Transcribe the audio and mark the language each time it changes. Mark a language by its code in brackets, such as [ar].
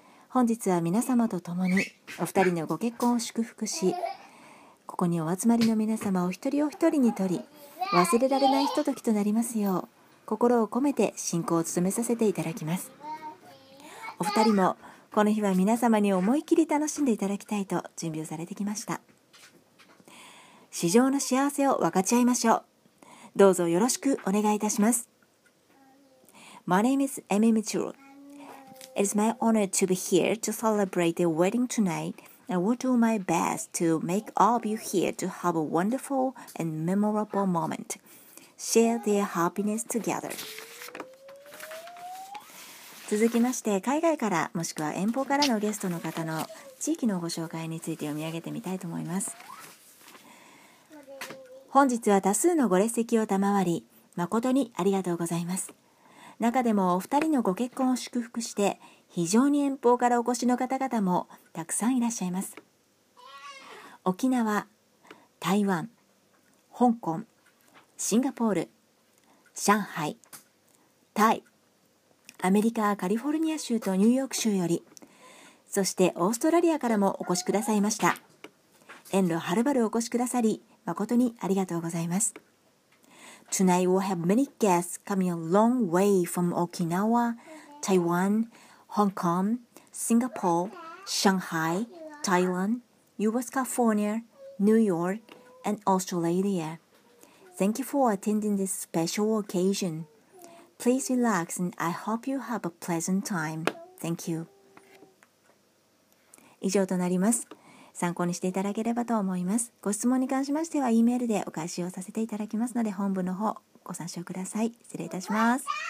[ja] 本日は皆様と共にお二人のご結婚を祝福し、ここにお集まりの皆様お一人お一人にとり、忘れられないひとときとなりますよう、心を込めて進行を務めさせていただきます。お二人もこの日は皆様に思い切り楽しんでいただきたいと準備をされてきました。市場の幸せを分かち合いましょう。どうぞよろしくお願いいたします。 [en] My name is Amy Mitchell. It is my honor to be here to celebrate the wedding tonight. I will do my best to make all of you here to have a wonderful and memorable moment. Share their happiness together. [ja] 続きまして、海外からもしくは遠方からのゲストの方の地域のご紹介について読み上げてみたいと思います。本日は多数のご列席を賜り、誠にありがとうございます。中でもお二人のご結婚を祝福して、非常に遠方からお越しの方々もたくさんいらっしゃいます。沖縄、台湾、香港、シンガポール、上海、タイ、アメリカ・カリフォルニア州とニューヨーク州より、そしてオーストラリアからもお越しくださいました。遠路はるばるお越しくださり、誠にありがとうございます。 [en] Tonight we have many guests coming a long way from Okinawa, Taiwan, Hong Kong, Singapore, Shanghai, Thailand, US California, New York, and Australia. Thank you for attending this special occasion. Please relax and I hope you have a pleasant time. Thank you. [ja] 以上となります。参考にしていただければと思います。ご質問に関しましては E メールでお返しをさせていただきますので、本文の方ご参照ください。失礼いたします。